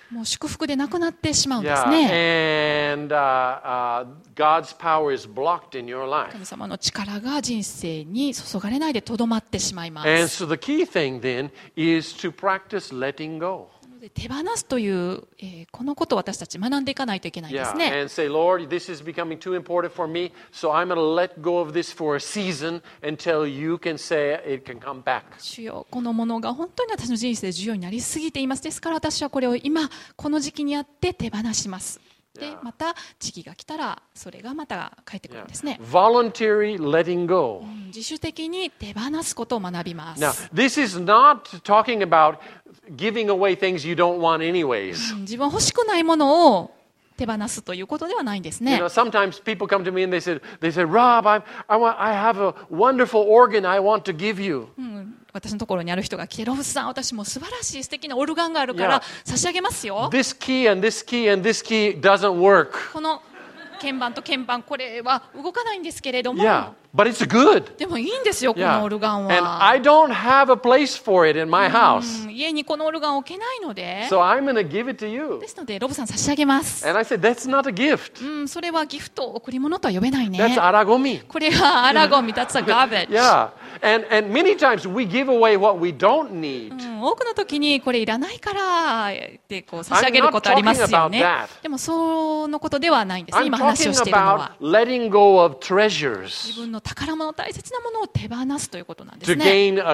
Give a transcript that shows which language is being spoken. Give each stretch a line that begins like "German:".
Japanese: もう祝福でなくなってしまうんですね。
English: Yeah. And God's power is blocked in your life.
Japanese: 神様の力が人生に注がれないでとどまってしまいます。
English: And so the key thing then is to practice letting go.
Japanese: 手放すという、このことを私たち学んでいかないといけないですね。
English: Yeah, and say, Lord, this is becoming too important for me, so I'm going to let go of this for a season until you can say it can come back.
Japanese: 主よ、このものが本当に私の人生で重要になりすぎています。ですから私はこれを今この時期にやって手放します。で、また時期が来たらそれがまた返ってくるんですね。
English: Voluntary letting go.
Japanese: 自主的に手放すことを学びます。
English: Now, this is not talking aboutGiving away things you don't want anyways.
Japanese: 自分欲しくないものを手放すということではないんですね。
English: You know, sometimes people come to me and they say, Rob, I have a wonderful organ I want to give you.
Japanese: 私のところにある人が来て、ロブさん、私も素晴らしい素敵なオルガンがあるから差し上げますよ。
English: Yeah. This key and this key and this key doesn't work.
Japanese: この鍵盤と鍵盤これは動かないんですけれども。
English: Yeah. But it's good.
Japanese: でもいいんですよ、このオルガンは。
English: And I don't have a place for it in my house.
Japanese: 家にこのオルガン置けないので。
English: So I'm going to give it to you.
Japanese: ですので、ロブさん差し上げます。
English: And I said, that's not a gift.
Japanese: それはギフト、贈り物とは呼べないね。
English: That's アラゴミ。
Japanese: これはアラゴミ、
English: that's a garbage. Yeah. And many times we give away what we don't need.
Japanese: 多くの時にこれいらないからってこう差し上げることありますよね。でもそのことではないんですね、今話をしているのは。
English: I'm talking about letting go of treasures.
Japanese: 自分の宝物、大切なものを手放すということなんですね。